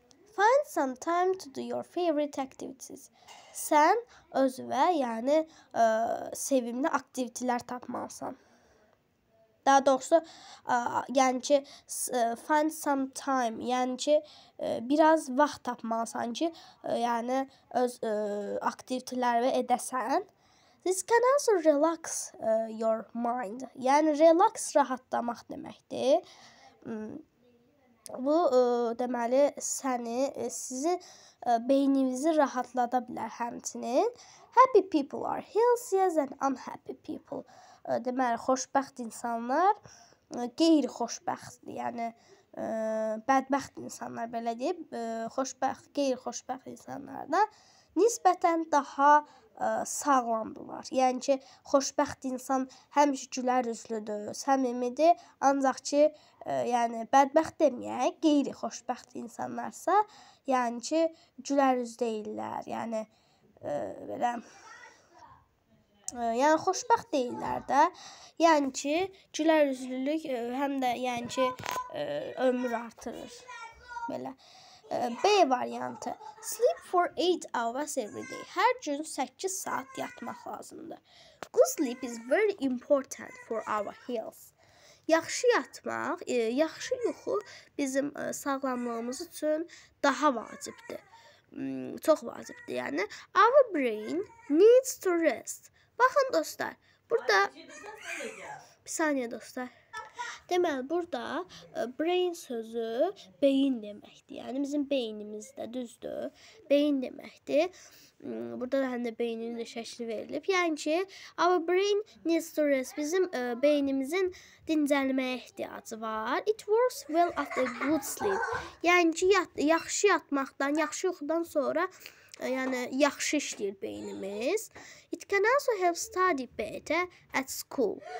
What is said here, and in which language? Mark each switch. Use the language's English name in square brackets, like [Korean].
[English] Find some time to do your favorite activities. [Azerbaijani] Sən özünə, yəni sevimli aktivitələr tapmalısan. Daha doğrusu, yəni ki, [English] find some time, [Azerbaijani] yəni ki, biraz vaxt tapmalısan ki, yəni öz aktivitələri edəsən. [English] This can also relax your mind. [Azerbaijani] Yəni relax rahatlamaq deməkdir. Bu, deməli, səni, sizi, beyninizi rahatlada bilər həmçinin. [English] Happy people are healthier than unhappy people. [Azerbaijani] Deməli, xoşbəxt insanlar, qeyri-xoşbəxt, yəni, bədbəxt insanlar, belə deyib, xoşbəxt, qeyri-xoşbəxt insanlarda nisbətən daha sağlamdırlar. Yəni ki, xoşbəxt insan həmişə gülər üzlüdür, səmimidir. Ancaq ki, yəni, bədbəxt deməyək, qeyri xoşbəxt insanlarsa, yəni ki, gülər üz deyirlər. Yəni, belə, yəni, xoşbəxt deyirlər də. Yəni ki, gülər üzlülük həm də, yəni ki, ömür artırır. Belə. B variantı. [English] Sleep for 8 hours every day. [Azerbaijani] Hər gün 8 saat yatmaq lazımdır. [English] Good sleep is very important for our health. [Azerbaijani] Yaxşı yatmaq, yaxşı yuxu bizim sağlamlığımız üçün daha vacibdir. Çox vacibdir. [English] Yəni our brain needs to rest. [Azerbaijani] Baxın dostlar, burada bir saniyə dostlar. Deməli, burada brain sözü beyin deməkdir. Yəni, bizim beynimizdə düzdür. Beyin deməkdir. Burada da həm də beynin də şəkli verilib. Yəni ki, [English] our brain needs to rest. [Azerbaijani] Bizim beynimizin dincəlməyə ehtiyacı var. [English] It works well after good sleep. [Azerbaijani] Yəni ki, yaxşı yatmaqdan, yaxşı yuxudan sonra yəni, yaxşı işləyir beynimiz. [English] It can also help study better at school.